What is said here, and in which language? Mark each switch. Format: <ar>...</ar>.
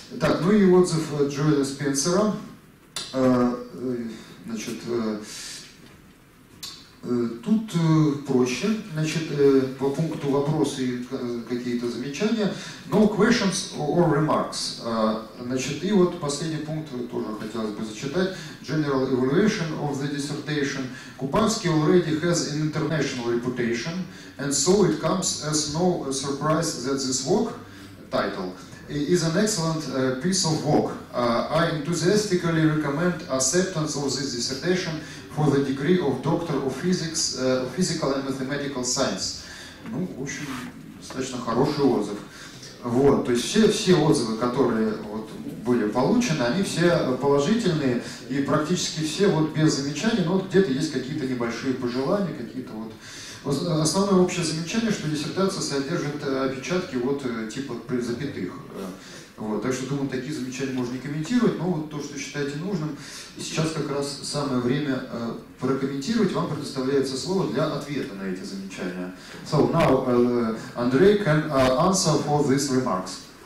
<ru>Так, ну и отзыв Джоэля Спенсера, значит, тут проще, значит, по пункту вопросы и какие-то замечания.</ru> <en>No questions or remarks.</en> <ru>Значит, и вот последний пункт тоже хотелось бы зачитать.</ru> <en>General evaluation of the dissertation. Kuparsky already has an international reputation, and so it comes as no surprise that this work title is an excellent piece of work. I enthusiastically recommend acceptance of this dissertation for the degree of Doctor of Physics, Physical and Mathematical Science.</en> <ru>Ну, в общем, достаточно хороший отзыв. Вот, то есть все отзывы, которые вот были получены, они все положительные, и практически все вот без замечаний, но вот где-то есть какие-то небольшие пожелания, какие-то вот. Основное общее замечание, что диссертация содержит опечатки вот типа запятых. Вот, так что, думаю, такие замечания можно не комментировать, но вот то, что считаете нужным, сейчас как раз самое время прокомментировать. Вам предоставляется слово для ответа на эти замечания.</ru> <en>So now Andrey can answer for these remarks.</en>